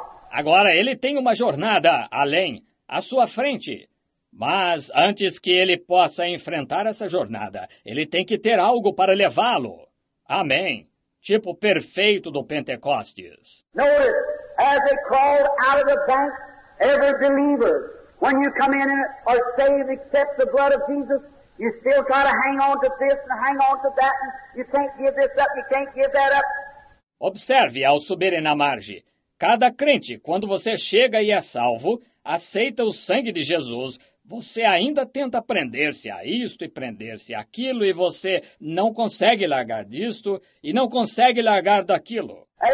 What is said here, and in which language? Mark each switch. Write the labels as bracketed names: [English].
[Portuguese] Agora ele tem uma jornada além, à sua frente. Mas antes que ele possa enfrentar essa jornada, ele tem que ter algo para levá-lo. Amém. Tipo perfeito do Pentecostes. [English] Notice, as they crawled out of the bank, every believer, when you come in and are saved, accept the blood of Jesus, you still got to hang on to this and hang on to that, and you can't give this up, you can't give that up. [Portuguese] Observe ao subirem na margem. Cada crente, quando você chega e é salvo, aceita o sangue de Jesus. Você ainda tenta prender-se a isto e prender-se àquilo, e você não consegue largar disto e não consegue largar daquilo.